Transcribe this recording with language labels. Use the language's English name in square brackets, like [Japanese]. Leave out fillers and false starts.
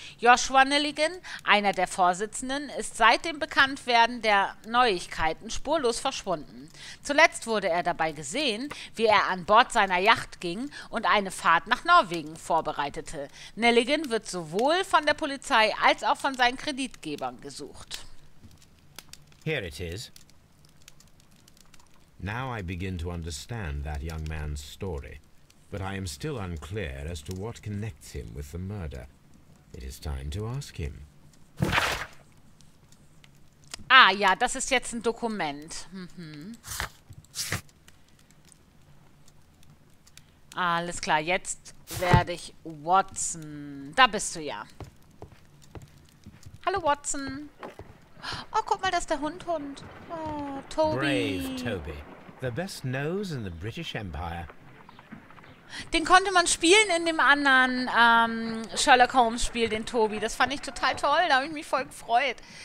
[German] Joshua Nelligan, einer der Vorsitzenden, ist seit dem Bekanntwerden der Neuigkeiten spurlos verschwunden. Zuletzt wurde er dabei gesehen, wie er an Bord seiner Yacht ging und eine Fahrt nach Norwegen vorbereitete. Nelligan wird sowohl von der Polizei als auch von seinen Kreditgebern gesucht. [English] Here it is. Now I begin to understand that young man's story. But I am still unclear as to what connects him with the murder. It is time to ask him. [German] Ah, ja, das ist jetzt ein Dokument. Mhm. Alles klar, jetzt werde ich Watson. Da bist du ja. Hallo, Watson. Oh, guck mal, das ist der Hund. [English] Oh, Toby. Brave Toby. The best nose in the British Empire. [German] Den konnte man spielen in dem anderen Sherlock Holmes Spiel, den Toby. Das fand ich total toll, da habe ich mich voll gefreut.